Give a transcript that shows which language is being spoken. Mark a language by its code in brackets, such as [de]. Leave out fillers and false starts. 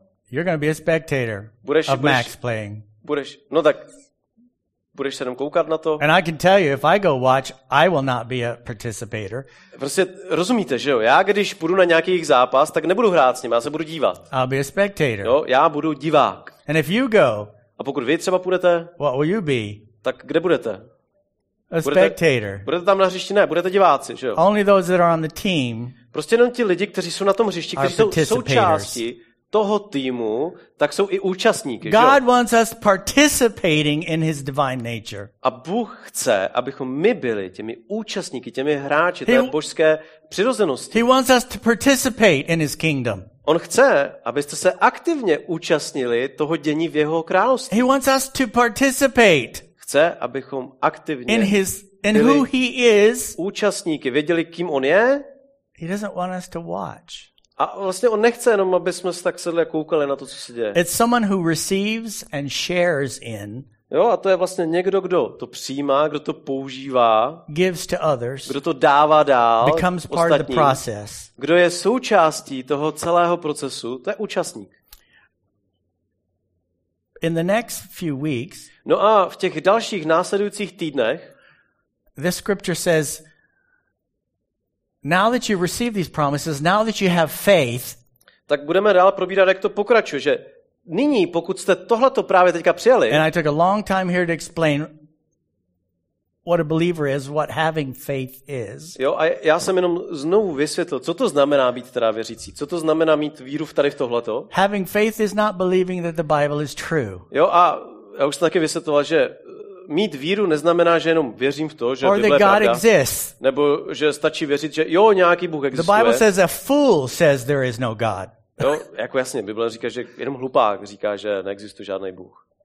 [en] You're going to be a spectator [cs] budeš, [en] Max playing. [cs] Budeš, no tak... Budeš se jenom koukat na to. [en] And I can tell you, if I go watch, I will not be a participator. [cs] Prostě rozumíte, že jo? Já když půjdu na nějaký zápas, tak nebudu hrát s ním, já se budu dívat. [en] I'll be a spectator. [cs] Jo, já budu divák. [en] And if you go, [cs] a pokud vy třeba půjdete, [en] what will you be? [cs] Tak kde budete? [en] A spectator. [cs] Budete tam na hřišti? Ne, budete diváci, že jo? [en] Only those that are on the team. [cs] Prostě jenom ti lidi, kteří jsou na tom hřišti, kteří jsou součástí toho týmu, tak jsou i účastníky. [en] God [cs] že? [en] Wants us participating in his divine nature. [cs] A Bůh chce, abychom my byli těmi účastníky, těmi hráči té božské přirozenosti. [en] He wants us to participate in his kingdom. [cs] On chce, abyste se aktivně účastnili toho dění v jeho království. [en] He wants us to participate. [cs] Chce, abychom aktivně [en] in his in who he is. [cs] Účastníky, věděli, kým on je. [en] He doesn't want us to watch. [cs] A vlastně on nechce jenom, aby jsme se tak sedli a koukali na to, co se děje. [en] It's someone who receives and shares in. [cs] Jo, a to je vlastně někdo, kdo to přijímá, kdo to používá. [en] Gives to others. [cs] Kdo to dává dál. [en] Becomes part of the process. [cs] Kdo je součástí toho celého procesu, to je účastník. [en] In the next few weeks. [cs] No a v těch dalších následujících týdnech. [en] The scripture says. Now that you receive these promises, now that you have faith, [cs] tak budeme dál probírat, jak to pokračuje, že nyní, pokud jste tohleto právě teďka přijali. [en] And I took a long time here to explain what a believer is, what having faith is. [cs] Jo, a já jsem jenom znovu vysvětlil, co to znamená být teda věřící. Co to znamená mít víru tady v tohleto? [en] Having faith is not believing that the Bible is true. [cs] Jo, a já už jsem taky vysvětloval, že mít víru neznamená, že jenom věřím v to, že Bible je pravda, nebo že stačí věřit, že jo, nějaký Bůh existuje. [en] The Bible says a fool says there is no God. [cs] Jo, jako jasně, Bible říká, že jenom hlupák říká, že neexistuje žádný Bůh.